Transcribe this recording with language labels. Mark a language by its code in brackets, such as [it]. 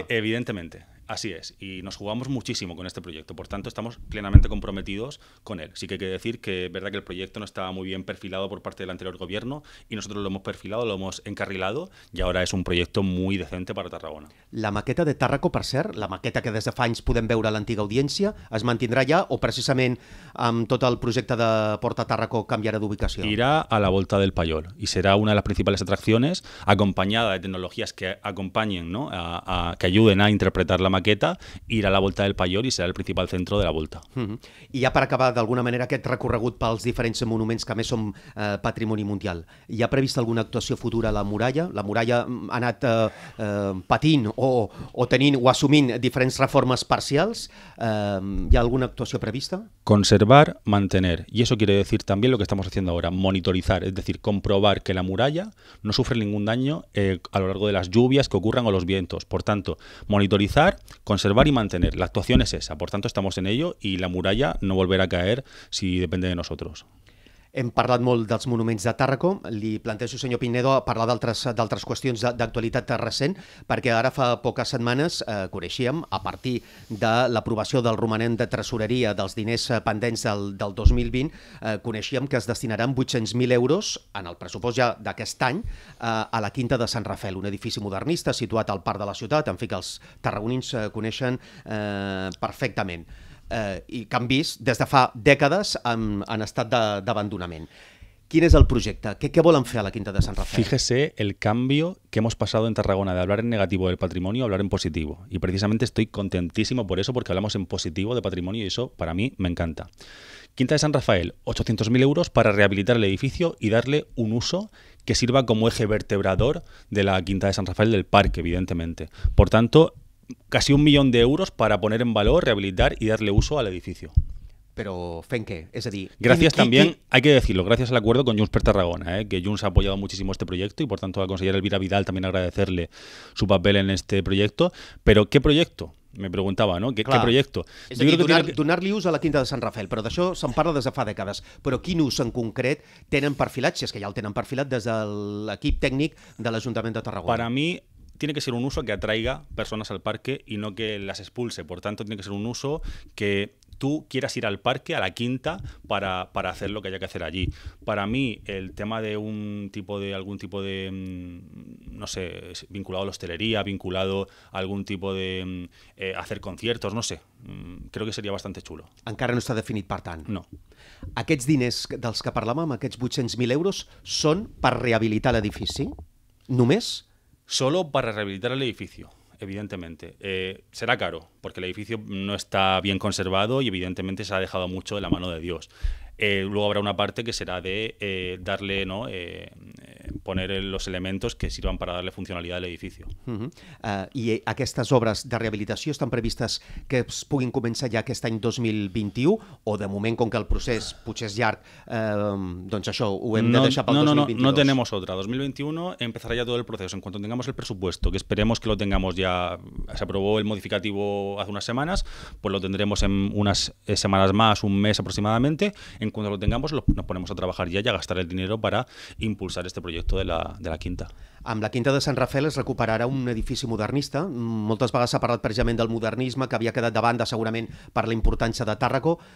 [es] És que, evidentemente, así es. Y nos jugamos muchísimo con este proyecto. Por tanto, estamos plenamente comprometidos con él. Sí que hay que decir que es verdad que el proyecto no estaba muy bien perfilado por parte del anterior gobierno y nosotros lo hemos perfilado, lo hemos encarrilado y ahora es un proyecto muy decente para Tarragona. [ca] La maqueta de Tàrraco, per cert, la maqueta que des de fa anys podem veure a l'antiga audiència, es mantindrà ja o precisament amb tot el projecte de Porta Tàrraco canviarà d'ubicació? [es] Irà a la Volta del Pallol y será una de las principales atracciones acompañada de tecnologías que acompañen, ¿no? Que ayuden a interpretar la maqueta, [ca] irà a la Volta del Pallol i serà el principal centre de la Volta. Uh-huh. I ja per acabar, d'alguna manera, aquest recorregut pels diferents monuments que a més són patrimoni mundial, hi ha previst alguna actuació futura a la muralla? La muralla ha anat patint o tenint o assumint diferents reformes parcials. Hi ha alguna actuació prevista? [es] Conservar, mantener. Y eso quiere decir también lo que estamos haciendo ahora, monitorizar, es decir, comprobar que la muralla no sufre ningún daño a lo largo de las lluvias que ocurran o los vientos. Por tanto, monitorizar, conservar y mantener. La actuación es esa. Por tanto, estamos en ello y la muralla no volverá a caer si depende de nosotros. [ca] Hem parlat molt dels monuments de Tàrraco. Li plantejo, senyor Pinedo, a parlar d'altres qüestions d'actualitat recent, perquè ara fa poques setmanes coneixíem, a partir de l'aprovació del romanent de tresoreria dels diners pendents del 2020, coneixíem que es destinaran 800.000 euros en el pressupost ja d'aquest any a la Quinta de Sant Rafel, un edifici modernista situat al parc de la ciutat, en fi, que els tarragonins coneixen perfectament. I que han vist des de fa dècades en estat d'abandonament. [es] ¿Quién es el proyecto? [ca] ¿Qué volan fe a la Quinta de San Rafael? [es] Fíjese el cambio que hemos pasado en Tarragona de hablar en negativo del patrimonio a hablar en positivo. Y precisamente estoy contentísimo por eso, porque hablamos en positivo de patrimonio y eso para mí me encanta. Quinta de San Rafael, 800.000 euros para rehabilitar el edificio y darle un uso que sirva como eje vertebrador de la Quinta de San Rafael, del parque, evidentemente. Por tanto, casi 1 millón de euros para poner en valor, rehabilitar y darle uso al edificio. [ca] Però fent què? És a dir... Gràcies també, [es] hay que decirlo, gracias al acuerdo con Junts per Tarragona, que Junts ha apoyado muchísimo este proyecto y por tanto a la consellera Elvira Vidal también agradecerle su papel en este proyecto. [ca] Però què projecte? Me preguntava, no? Què projecte? És a dir, donar-li ús a la Quinta de Sant Rafel, però d'això se'n parla des de fa dècades. Però quin ús en concret tenen perfilat, si és que ja el tenen perfilat, des de l'equip tècnic de l'Ajuntament de Tarragona? Per a mi... [es] Tiene que ser un uso que atraiga personas al parque y no que las expulse. Por tanto, tiene que ser un uso que tú quieras ir al parque, a la quinta, para hacer lo que haya que hacer allí. Para mí, el tema de algún tipo de, no sé, vinculado a la hostelería, vinculado a algún tipo de hacer conciertos, no sé, creo que sería bastante chulo. [ca] Encara no està definit, per tant. No. Aquests diners dels que parlàvem, aquests 800.000 euros, són per rehabilitar l'edifici? Només? [es] Solo para rehabilitar el edificio, evidentemente. Será caro, porque el edificio no está bien conservado y evidentemente se ha dejado mucho de la mano de Dios. Luego habrá una parte que será de darle, ¿no? Poner los elementos que sirvan para darle funcionalidad al edificio. Uh-huh. [ca] I aquestes obres de rehabilitació estan previstes que es puguin començar ja aquest any 2021 o de moment, com que el procés potser és llarg, doncs això ho hem de deixar pel 2022? [es] No, tenemos otra. 2021 empezará ya todo el proceso. En cuanto tengamos el presupuesto, que esperemos que lo tengamos ya, se aprobó el modificativo hace unas semanas, pues lo tendremos en unas semanas más, un mes aproximadamente. En cuanto lo tengamos, nos ponemos a trabajar ya y a gastar el dinero para impulsar este proyecto de la Quinta. [ca] Amb la Quinta de Sant Rafel es recuperarà un edifici modernista. Moltes vegades s'ha parlat precisament del modernisme, que havia quedat de banda segurament per la importància de Tàrraco.